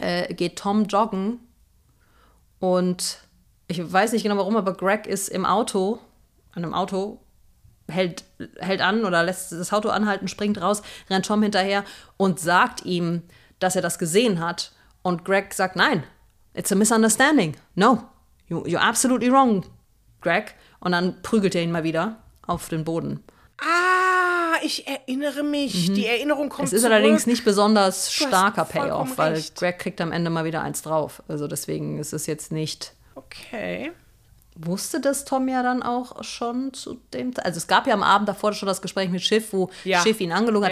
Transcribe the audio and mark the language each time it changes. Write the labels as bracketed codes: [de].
[de] Geht Tom joggen und. Ich weiß nicht genau warum, aber Greg ist im Auto, an einem Auto, hält an oder lässt das Auto anhalten, springt raus, rennt Tom hinterher und sagt ihm, dass er das gesehen hat. Und Greg sagt, nein, [en] it's a misunderstanding. No, you're absolutely wrong, Greg. [de] Und dann prügelt er ihn mal wieder auf den Boden. Ah, ich erinnere mich. Mhm. Die Erinnerung kommt zurück. Es ist allerdings nicht besonders starker Payoff, weil Greg kriegt am Ende mal wieder eins drauf. Also deswegen ist es jetzt nicht. Okay. Wusste das Tom ja dann auch schon zu dem Also es gab ja am Abend davor schon das Gespräch mit Schiff, wo Schiff ihn angelogen hat.